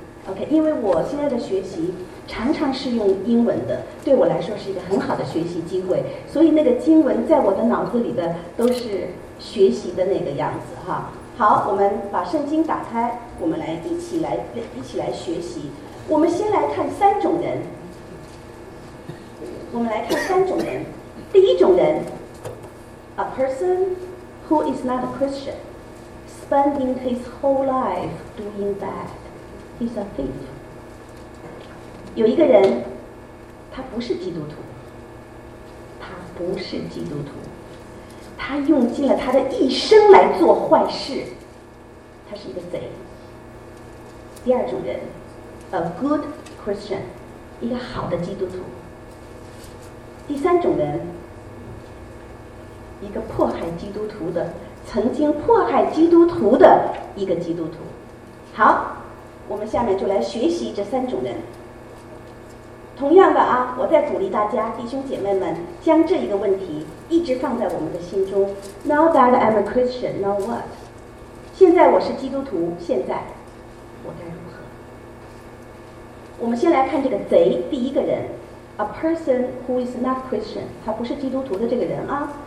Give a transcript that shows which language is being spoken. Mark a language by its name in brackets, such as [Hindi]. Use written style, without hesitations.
[Chinese] OK， 因为我现在的学习常常是用英文的，对我来说是一个很好的学习机会，所以那个经文在我的脑子里的都是学习的那个样子哈。好，我们把圣经打开，我们来一起来学习。我们先来看三种人，我们来看三种人。第一种人 [English] ，a person who is not a Christian, spending his whole life doing bad, he's a thief。 [Chinese] 有一个人，他不是基督徒，他不是基督徒，他用尽了他的一生来做坏事，他是一个贼。第二种人 ， [English] a good Christian, [Chinese] 一个好的基督徒。第三种人，一个迫害基督徒的，曾经迫害基督徒的一个基督徒。好，我们下面就来学习这三种人。同样的啊，我再鼓励大家，弟兄姐妹们，将这一个问题一直放在我们的心中。 [English] Now that I'm a Christian, now what? [Chinese] 现在我是基督徒，现在我该如何？我们先来看这个贼，第一个人。 [English] A person who is not Christian, [Chinese] 他不是基督徒的这个人啊。